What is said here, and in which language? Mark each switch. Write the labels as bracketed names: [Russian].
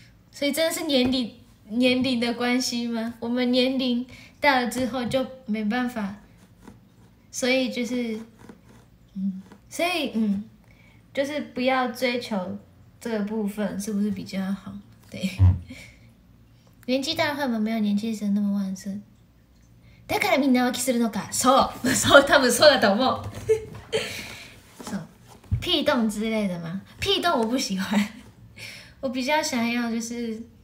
[Chinese] 所以真的是年龄的关系吗？我们年龄大了之后就没办法，所以就是，就是不要追求这个部分，是不是比较好？对，年纪大的话，我们没有年轻时那么旺盛。 [Japanese] だからみんな浮気するのか？そう、そう、多分そうだと思う。 [Chinese] 屁洞之类的吗？屁洞我不喜欢，我比较想要就是，